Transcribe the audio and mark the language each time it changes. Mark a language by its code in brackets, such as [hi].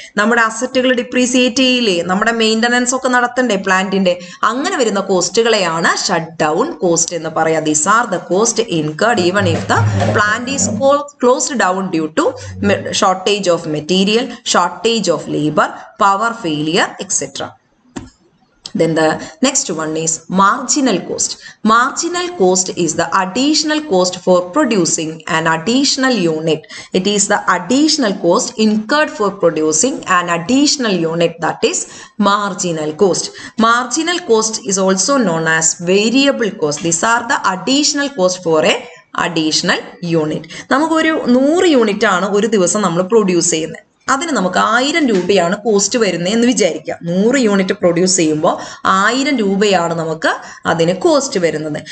[ml] നമ്മുടെ അസറ്റുകൾ ഡിപ്രീസിയേറ്റ് ചെയ്യില്ലേ? നമ്മുടെ മെയിൻ്റനൻസ് ഒക്കെ നടത്തണ്ടേ പ്ലാന്റിന്റെ? അങ്ങനെ വരുന്ന കോസ്റ്റുകളെയാണ് ഷട്ട് ഡൗൺ കോസ്റ്റ് എന്ന് പറയുക. [en] These are the cost incurred even if the plant is closed down due to shortage of material, shortage of labour, power failure, etcetera. Then the next one is marginal cost. Marginal cost is the additional cost for producing an additional unit. It is the additional cost incurred for producing an additional unit, that is marginal cost. Marginal cost is also known as variable cost. These are the additional cost for a additional unit. [ml] നമുക്ക് ഒരു 100 unit ആണ് ഒരു ദിവസം നമ്മൾ produce ചെയ്യുന്നത്. അതിന് നമുക്ക് 1000 രൂപയാണ് കോസ്റ്റ് വരുന്നത് എന്ന് വിചാരിക്കുക. 100 യൂണിറ്റ് പ്രൊഡ്യൂസ് ചെയ്യുമ്പോൾ 1000 രൂപയാണ് നമുക്ക് അതിന് കോസ്റ്റ് വരുന്നത്.